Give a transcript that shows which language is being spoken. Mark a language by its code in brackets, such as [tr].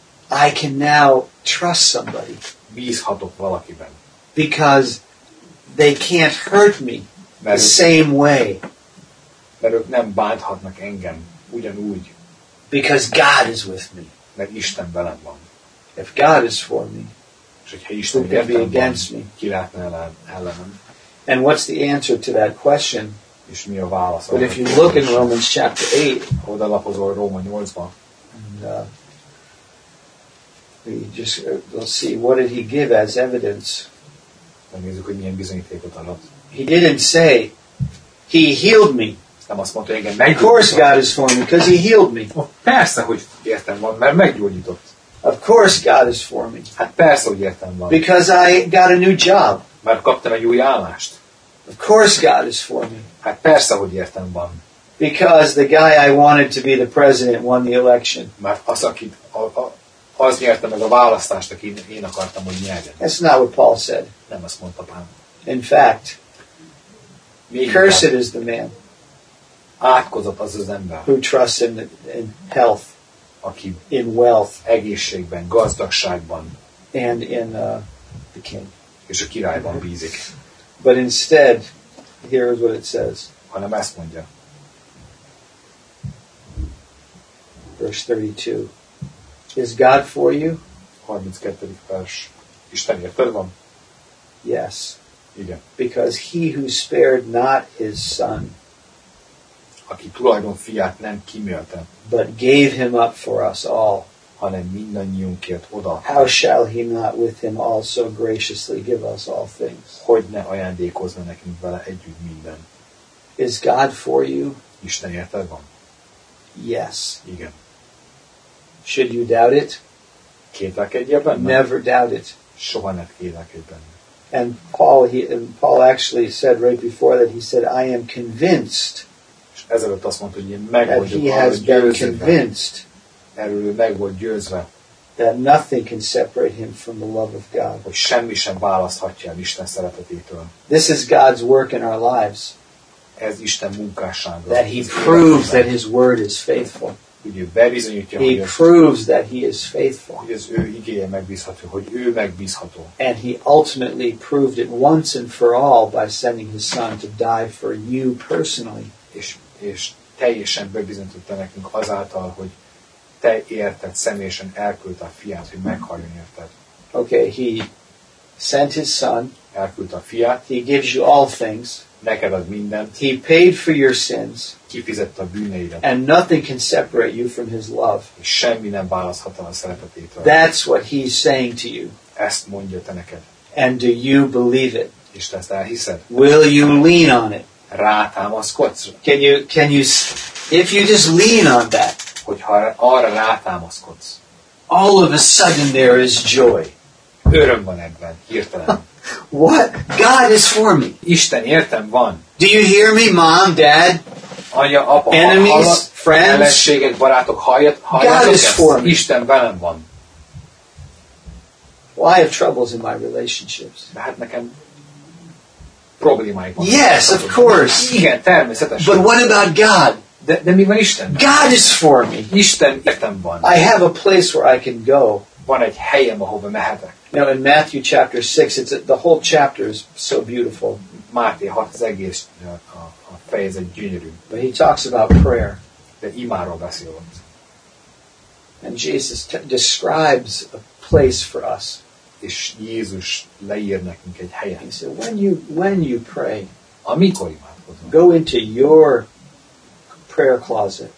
[en] I can now trust somebody. [hu] Bízhatok valakiben. [en] Because they can't hurt me the same way. [hu] Mert ők nem bánthatnak engem ugyanúgy. [en] Because God is with me. [hu] Mert Isten velem van. [en] If God is for me, [hu] és hogyha Isten értem [en] be against [hu] van, [en] me. [hu] Ki lehetne ellenem. [en] And what's the answer to that question? [hu] És mi a válasz? [en] But if you look in Romans chapter 8, [hu] oda lapozol Róma 8-ban, [en] we'll see, what did he give as evidence? [hu] Megnézzük, hogy milyen bizonyítékot adott. [en] He didn't say, he healed me. [hu] Nem azt mondta, igen, meggyógyított. [en] Of course God is for me, because he healed me. [hu] Persze, hogy értem van, mert meggyógyított. [en] Of course God is for me. [hu] Hát persze, hogy értem van. [en] Because I got a new job. [hu] Mert kaptam egy új állást. [en] Of course God is for me. [hu] Hát persze, hogy értem van. [en] Because the guy I wanted to be the president won the election. [hu] Mert az, akit az nyerte meg a választást, aki én akartam, hogy nyerjen. [en] That's not what Paul said. [hu] Nem azt mondta Pál. [en] In fact, cursed is the man. [hu] Átkozott az az ember. [en] Who trusts in health. [hu] Aki [en] in wealth. [hu] Egészségben, gazdagságban. [en] And in the king. [hu] És a királyban bízik. [en] But instead, here is what it says. [hu] Hanem ezt mondja. [en] Verse 32. Is God for you? [hu] 32. vers. Isten érted van? [en] Yes. [hu] Igen. [en] Because he who spared not his son, [hu] aki tulajdon fiát nem kímélte, [en] but gave him up for us all, [hu] hanem mindannyiunkért odaadta, [en] how shall he not with him also graciously give us all things? [hu] Hogy ne ajándékozna nekünk vele együtt minden? [en] Is God for you? [hu] Isten érted van? [en] Yes. [hu] Igen. [en] Should you doubt it? [hu] Kétlekedj benne. [en] Never doubt it. [hu] Soha ne kétlekedj benne. [en] And Paul actually said right before that, he said, I am convinced. [hu] És ezelőtt azt mondta, hogy én meg vagyok. [en] That he has been convinced. [hu] Erről ő meg volt győzve. [en] That nothing can separate him from the love of God. [hu] Hogy semmi sem választhatja el Isten szeretetétől. [en] This is God's work in our lives. [hu] Ez Isten munkássága. [en] That he proves that his word is faithful. [hu] Hogy ő bebizonyítja, [en] he proves that he is faithful. [hu] Hogy az ő igéje megbízható, hogy ő megbízható. [en] And he ultimately proved it once and for all by sending his son to die for you personally. [hu] És teljesen bebizonyította nekünk azáltal, hogy te érted, személyesen elküldte a fiát, hogy meghaljon érted. [en] Okay, he sent his son. [hu] Elküldte a fiát. [en] He gives you all things. [hu] Neked ad mindent. [en] He paid for your sins. [hu] Kifizette a bűneidet. [en] And nothing can separate you from his love. [hu] És semmi nem választhatta a szeretetétől. [en] That's what he's saying to you. [hu] Ezt mondja te neked. [en] And do you believe it? [hu] És te ezt elhiszed? [en] Will you lean on it? [hu] Rátámaszkodsz. [en] Can you, if you just lean on that, [hu] hogyha arra rátámaszkodsz, [en] all of a sudden there is joy. [hu] Öröm van ebben, hirtelen. [en] What? God is for me. [hu] Isten értem van. [en] Do you hear me, mom, dad? [hu] Anya, apa, [en] enemies, friends? [hu] Ellenségek, barátok, halljatok [en] God is [hu] ezt? [en] For me. [hu] Isten velem van. [en] Well, I have troubles in my relationships. [hu] De hát nekem problémáik van. [en] Yes, of course. [hu] Igen, természetesen. [en] But what about God? [hu] De mi van Isten? [en] God is for me. [hu] Isten értem van. [en] I have a place where I can go. [hu] Van egy helyem, ahova mehetek. [en] Now in Matthew chapter 6, the whole chapter is so beautiful. [hu] Máté 6, az egész a fejezet gyönyörű. [en] But he talks about prayer. [hu] De imáról beszélünk. [en] And Jesus describes a place for us. [hu] És Jézus leír nekünk egy helyet. [en] He said, when you pray, [hu] amikor imádkozom, [en] go into your prayer closet.